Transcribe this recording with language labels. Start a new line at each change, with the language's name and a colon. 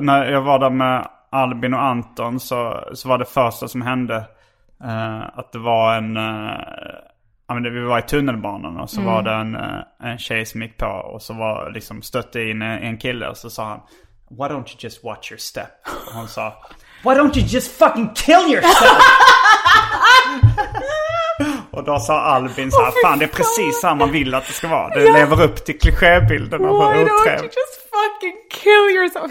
Swedish: När jag var där med Albin och Anton så var det första som hände att det var en... vi var i tunnelbanan och så var det en tjej som gick på och så var liksom stötte in en kille och så sa han,
English: why don't you just watch your step?
Swedish: Och hon sa,
English: why don't you just fucking kill yourself?
Swedish: Och då sa Albin så här, fan, det är precis som man vill att det ska vara. Det lever upp till klischébilden av otrevligt.
English: Why don't you just fucking kill yourself?